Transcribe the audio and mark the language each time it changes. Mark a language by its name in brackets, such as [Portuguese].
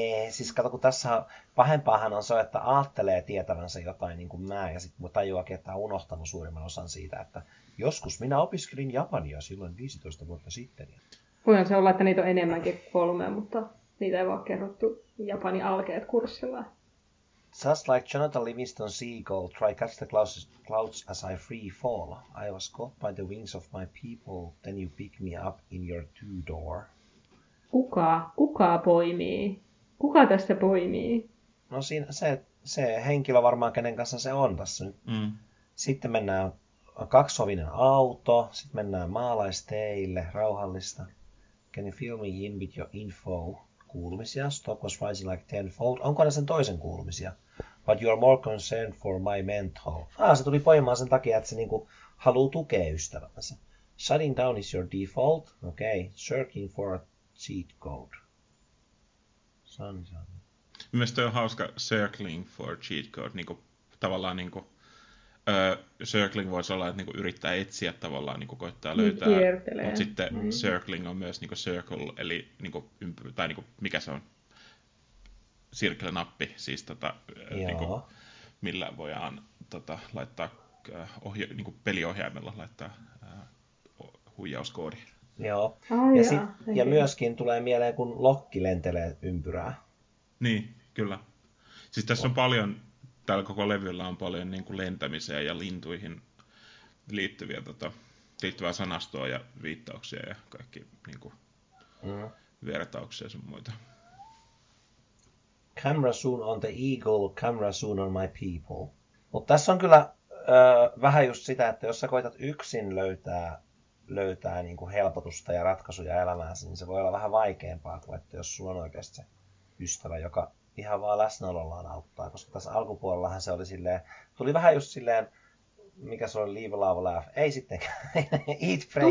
[Finnish] Siis kato, kun tässä pahempaahan on se, että ajattelee tietävänsä jotain niin kuin mä, ja sitten tajuakin, että on unohtanut suurimman osan siitä, että joskus minä opiskelin japania silloin 15 vuotta sitten. Voihan se olla, että niitä on enemmänkin kolme, mutta niitä ei vaan kerrottu japani alkeet kurssilla. [English] Just like Jonathan Livingston seagull, try catch the clouds as I free fall. I was caught by the wings of my people, then you pick me up in your two-door. [Finnish] Kuka poimii? Kuka tässä poimii? No siinä se henkilö varmaan, kenen kanssa se on tässä nyt. Mm. Sitten mennään kaksovinen auto, sitten mennään maalaisteille, rauhallista. [English] Can you fill me in with your info? Kuulumisia. Stock was rising like tenfold. [Finnish] Onko ne sen toisen kuulumisia? [English] But you are more concerned for my mental. [Finnish] Se tuli poimaan sen takia, että se niinku haluaa tukea ystävänsä. [English] Shutting down is your default. Okay, searching for a cheat code. Sunshine. [Finnish] Mielestäni on hauska [English] circling for cheat code. [Finnish] Niin kuin, tavallaan niin kuin, circling voisi olla, että niin kuin yrittää etsiä tavallaan, niin kuin koittaa löytää. Niin kiertelee. Mutta sitten circling on myös niin kuin circle, eli niin kuin, tai niin kuin, mikä se on? Circle-nappi, siis niin kuin, millä voidaan laittaa niin kuin peliohjaimella laittaa huijauskoodi. Joo. Ja myöskin tulee mieleen, kun lokki lentelee ympyrää. Niin, kyllä. Siis tässä on paljon, tällä koko levyllä on paljon niin kuin lentämiseen ja lintuihin liittyvää sanastoa ja viittauksia ja kaikki niin kuin vertauksia ja sun muita. [English] Camera soon on the eagle, camera soon on my people. [Finnish] Mutta tässä on kyllä vähän just sitä, että jos sä koetat yksin löytää niin kuin helpotusta ja ratkaisuja elämäänsä, niin se voi olla vähän vaikeampaa kuin, että jos sulla on oikeasti se ystävä, joka ihan vaan läsnäolollaan auttaa, koska tässä alkupuolellahan se oli silleen, tuli vähän just silleen, mikä se oli, [English] leave, love, laugh, [Finnish] ei sittenkään, [English] eat, pray,